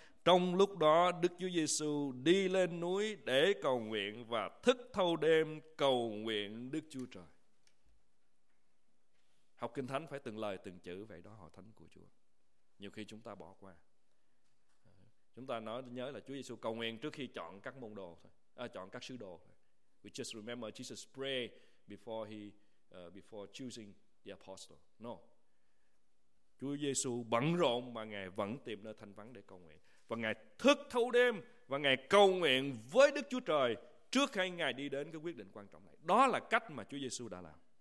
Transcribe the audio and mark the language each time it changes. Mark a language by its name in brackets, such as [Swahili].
[Vietnamese] Trong lúc đó Đức Chúa Giêsu đi lên núi để cầu nguyện và thức thâu đêm cầu nguyện Đức Chúa Trời. Học Kinh Thánh phải từng lời từng chữ vậy đó, hội thánh của Chúa. Nhiều khi chúng ta bỏ qua. Chúng ta nhớ là Chúa Giêsu cầu nguyện trước khi chọn các môn đồ thôi, chọn các sứ đồ thôi. [English] We just remember Jesus pray before before choosing the apostle. No. [Vietnamese] Chúa Giêsu bận rộn mà Ngài vẫn tìm nơi thanh vắng để cầu nguyện. Và Ngài thức thâu đêm và Ngài cầu nguyện với Đức Chúa Trời trước khi Ngài đi đến cái quyết định quan trọng này. Đó là cách mà Chúa Giêsu đã làm.